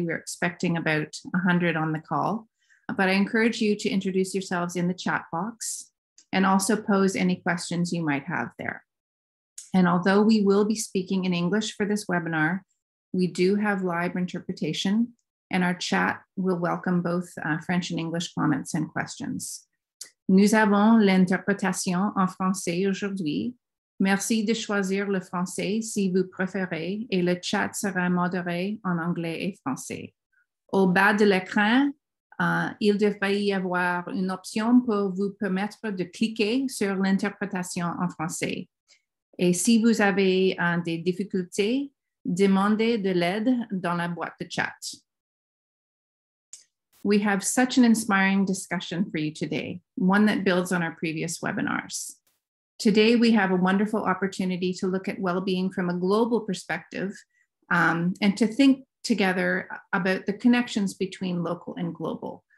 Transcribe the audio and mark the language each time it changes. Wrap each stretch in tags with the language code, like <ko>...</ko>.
<en>We're expecting about 100 on the call, but I encourage you to introduce yourselves in the chat box and also pose any questions you might have there. And although we will be speaking in English for this webinar, we do have live interpretation, and our chat will welcome both French and English comments and questions.</en> <fr>Nous avons l'interprétation en français aujourd'hui. Merci de choisir le français si vous préférez, et le chat sera modéré en anglais et français. Au bas de l'écran, il devrait y avoir une option pour vous permettre de cliquer sur l'interprétation en français. Et si vous avez des difficultés, demandez de l'aide dans la boîte de chat.</fr> <en>We have such an inspiring discussion for you today, one that builds on our previous webinars. Today, we have a wonderful opportunity to look at well-being from a global perspective and to think together about the connections between local and global.</en>